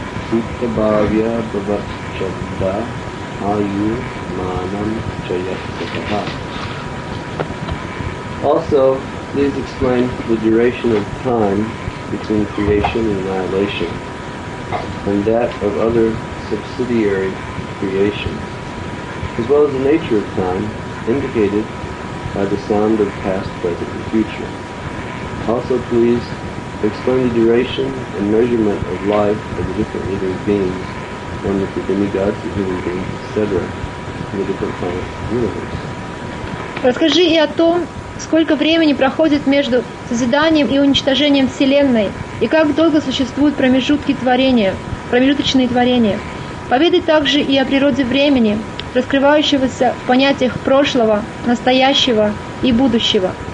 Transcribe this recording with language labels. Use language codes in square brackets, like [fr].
[sa] Суттабавья бхавачадда аю манам чаяттатаха. [en] Also, please explain the duration of time between creation and annihilation, and that of other subsidiary creations, as well as the nature of time indicated by the sound of past, present, and future. Also, please explain the duration and measurement of life of the different living beings, one with the demigods, the human beings, etc., in the different planets of the universe. [ru] Расскажи и о том, сколько времени проходит между созиданием и уничтожением Вселенной, и как долго существуют промежутки творения, промежуточные творения. Поведай также и о природе времени, раскрывающегося в понятиях прошлого, настоящего и будущего.